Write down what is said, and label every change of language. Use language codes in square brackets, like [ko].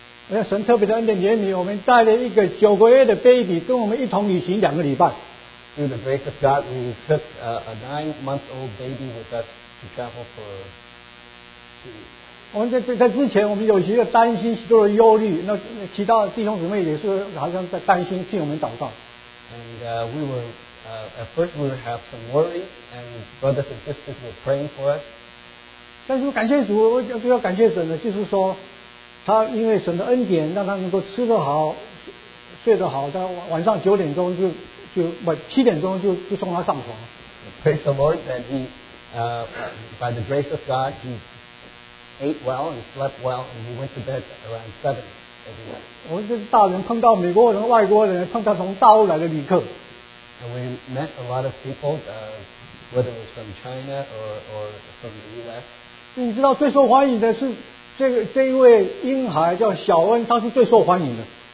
[zh] 那神特别的恩典怜悯，我们带了一个九个月的 baby 跟我们一同旅行两个礼拜。 [en] Through the grace of God, we took a nine-month-old baby with us to travel for 2 weeks. [zh] 我们在之前，我们有些担心，许多的忧虑。那其他弟兄姊妹也是好像在担心，替我们祷告。 [en] And we were at first we would have some worries, and brothers and sisters were praying for us. [zh] 但是感谢主，我比较感谢神的，就是说，他因为神的恩典，让他能够吃得好，睡得好，他晚上九点钟七点钟就送他上床。 [en] Praise the Lord that he, by the grace of God, he ate well and slept well, and he went to bed around 7 every night. [zh] 我们这大人碰到美国人、外国人，碰到从大陆来的旅客。 [en] And we met a lot of people, whether it was from China or from the U.S. [zh] 你知道最受欢迎的是这一位婴孩叫小恩，他是最受欢迎的。